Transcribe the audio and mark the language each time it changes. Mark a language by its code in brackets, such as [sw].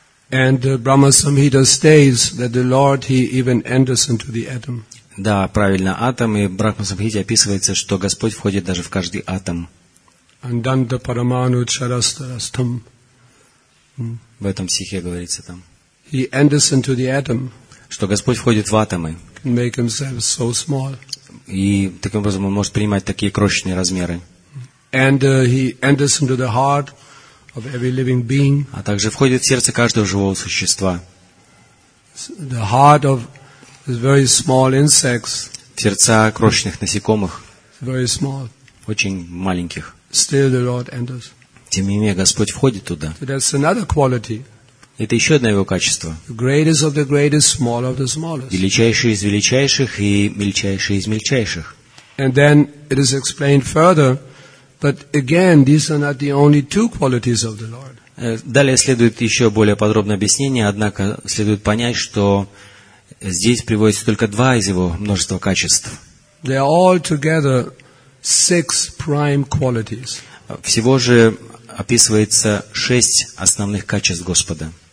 [en] And Brahma Samhita states that the Lord, he even enters into the atom. [ru] Да, правильно, атом, и в Брахма Самхите описывается, что Господь входит даже в каждый атом. [sa] Анданда параману чарастарастам. [ru] В этом стихе говорится там. [en] He enters into the atom. [ru] Что Господь входит в атомы. [en] Can make himself so small. [ru] И таким образом он может принимать такие крошечные размеры. [en] And he enters into the heart of every living being. [ru] А также входит в сердце каждого живого существа. [en] The heart of very small insects. [ru] Сердца крошечных насекомых. [en] Very small. [ru] Очень маленьких. [en] Still the Lord enters. [ru] Тем не менее, Господь входит туда. [en] So that's another quality. [ru] Это еще одно его качество. [en] The greatest of the greatest, small of the smallest. [ru] Величайший из величайших и мельчайший из мельчайших. [en] And then it is explained further. But again, these are not the only two qualities of the Lord. [ru] Далее следует еще более подробное объяснение. Однако следует понять, что здесь приводятся только два из его множества качеств. [en] They are all together six prime qualities. [ru] Всего же описывается шесть основных качеств Господа.